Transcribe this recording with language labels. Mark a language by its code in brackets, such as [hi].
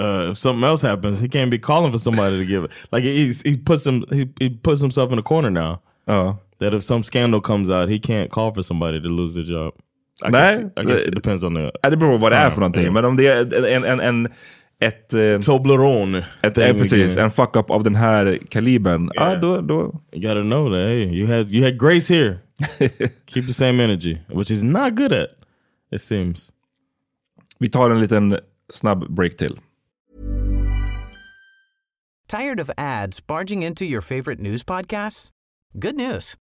[en] if something else happens, he can't be calling for somebody to give it. Like he puts himself in a corner now. That if some scandal comes out, he can't call for somebody to lose their job. I guess it depends on the... [sv] Det beror på vad det är för någonting. Yeah. Men om det är en ett [en] Toblerone. [sv] Precis, en fuck up av den här kalibern. Yeah. Då. [en] You gotta know that, hey, you had grace here. Keep the same energy, which is not good at, it seems. [sv] Vi tar en liten snabb break till. [en] Tired of ads barging into your favorite news podcasts? Good news.